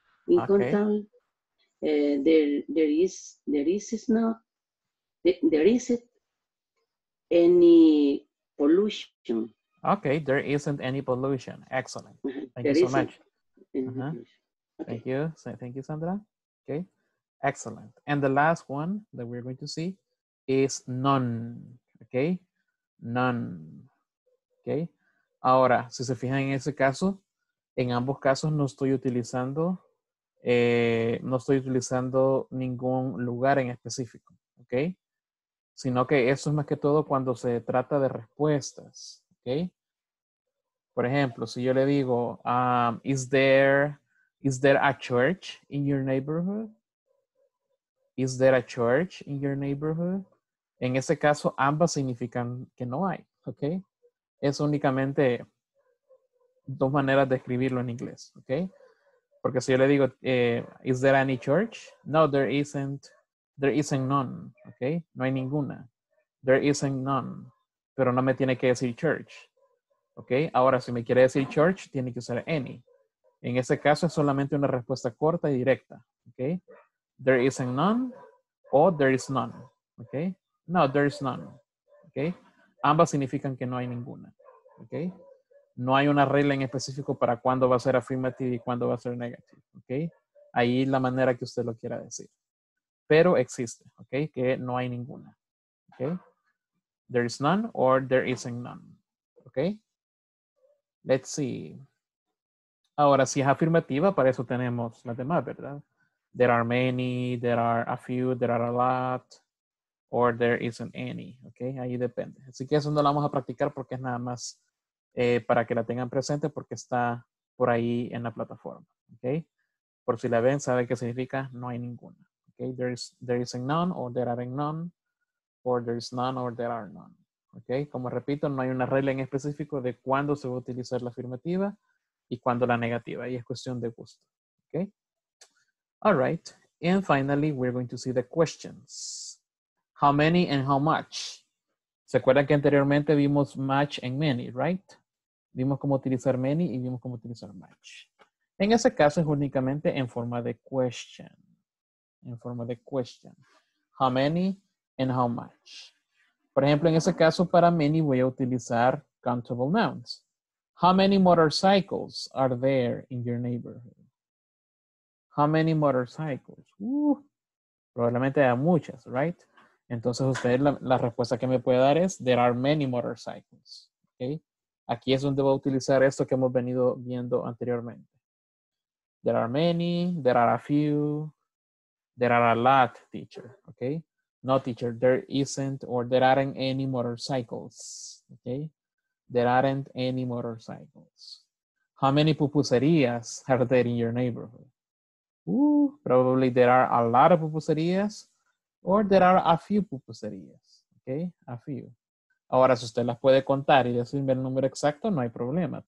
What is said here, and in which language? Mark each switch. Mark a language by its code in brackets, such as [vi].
[en] In Contal, there isn't any pollution. Okay, there isn't any pollution. Excellent. Thank you so much. Uh-huh. Okay. Thank you, Sandra. Okay, excellent. And the last one that we're going to see is none. Okay, none. Okay. [es] Ahora, si se fijan en ese caso, en ambos casos no estoy utilizando no estoy utilizando ningún lugar en específico, ¿ok? Sino que eso es más que todo cuando se trata de respuestas, ¿ok? Por ejemplo, si yo le digo, [en] is there a church in your neighborhood? Is there a church in your neighborhood? [es] En ese caso, ambas significan que no hay, ¿ok? Es únicamente dos maneras de escribirlo en inglés, ¿ok? Porque si yo le digo, [en] is there any church? No, there isn't none, [es] ¿ok? No hay ninguna. [en] There isn't none. [es] Pero no me tiene que decir church, ¿ok? Ahora, si me quiere decir church, tiene que usar any. En ese caso, es solamente una respuesta corta y directa, ¿ok? [en] There isn't none o there is none, ¿ok? No, there is none, [es] ¿ok? Ambas significan que no hay ninguna, ¿ok? No hay una regla en específico para cuándo va a ser affirmative y cuándo va a ser negative, ¿ok? Ahí la manera que usted lo quiera decir. Pero existe, ¿ok? Que no hay ninguna, ¿ok? [en] There is none or there isn't none, ¿ok? Let's see. [es] Ahora, si es afirmativa, para eso tenemos las demás, ¿verdad? [en] There are many, there are a few, there are a lot, or there isn't any, ¿ok? [es] Ahí depende. Así que eso no lo vamos a practicar porque es nada más para que la tengan presente porque está por ahí en la plataforma, ¿ok? Por si la ven, sabe qué significa, no hay ninguna, ¿ok? [en] There isn't none, or there aren't none, or there is none, or there are none, ¿ok? [es] Como repito, no hay una regla en específico de cuándo se va a utilizar la afirmativa y cuándo la negativa, y es cuestión de gusto, ¿ok? [en] All right, and finally, we're going to see the questions. How many and how much? [es] ¿Se acuerdan que anteriormente vimos [en] much and many, right? [es] Vimos cómo utilizar many y vimos cómo utilizar much. En ese caso es únicamente en forma de question. En forma de question. [en] How many and how much? [es] Por ejemplo, en ese caso para many voy a utilizar countable nouns. [en] How many motorcycles are there in your neighborhood? How many motorcycles? [es] Probablemente hay muchas, [en] right? [es] Entonces usted la respuesta que me puede dar es [en] there are many motorcycles. [es] Okay? Aquí es donde voy a utilizar esto que hemos venido viendo anteriormente. [en] There are many, there are a few, there are a lot, teacher. Okay? No, teacher, there isn't or there aren't any motorcycles. Okay? There aren't any motorcycles. How many pupuserías are there in your neighborhood? Probably there are a lot of pupuserías or there are a few pupuserías, okay? A few. [es] Ahora, si usted las puede contar y decirme el número exacto, no hay problema.